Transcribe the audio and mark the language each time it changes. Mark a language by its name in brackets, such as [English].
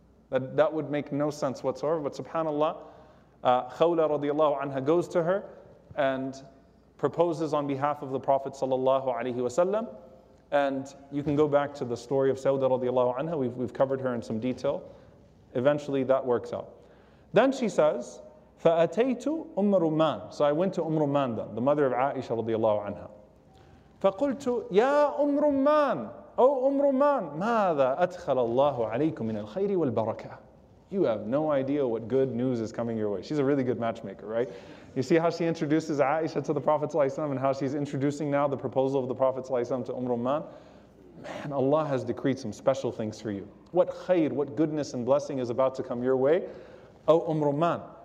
[English] That would make no sense whatsoever. But subhanAllah, Khawla radiallahu anha goes to her and proposes on behalf of the Prophet sallallahu alayhi wasallam. And you can go back to the story of Sauda radiallahu anha. We've covered her in some detail. Eventually that works out. Then she says, [Arabic] فَأَتَيْتُ أُمْ رُمَانَ. [English] So I went to Umm Rumman then, the mother of Aisha radiallahu anha. [Arabic] فَقُلْتُ يَا أُمْ رُمَانَ. O Umm Rumman, ماذا أدخل الله عليكم من الخير والبركة. [English] You have no idea what good news is coming your way. She's a really good matchmaker, right? You see how she introduces Aisha to the Prophet ﷺ and how she's introducing now the proposal of the Prophet ﷺ to Umm Rumman. Man, Allah has decreed some special things for you. What khair, what goodness and blessing is about to come your way? O Umm Rumman.